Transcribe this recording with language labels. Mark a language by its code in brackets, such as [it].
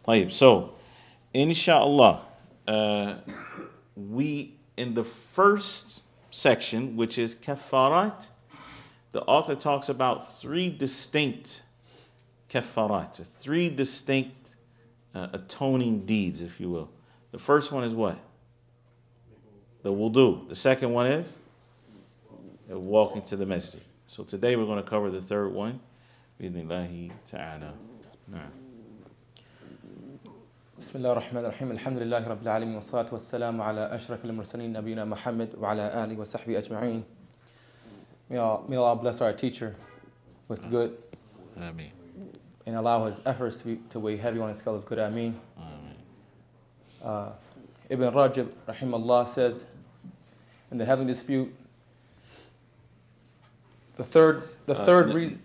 [en] So, inshallah, we, in the first section, which is kaffarat, the author talks about three distinct kaffarat, three distinct atoning deeds, if you will. The first one is what? The wudu. The second one is? Walking to the masjid. So today we're going to cover the third one. Bismillahi ta'ala. [ar] بسم الله الرحمن الرحيم الحمد لله رب العالمين والصلاة والسلام على أشرف المرسلين نبينا محمد وعلى آله وصحبه أجمعين. [en] May Allah bless our teacher with good. Ameen. And allow his efforts to weigh heavy on his scale of good. Ameen. Ibn Rajab, rahimahullah, says, in the heavenly dispute, the third reason.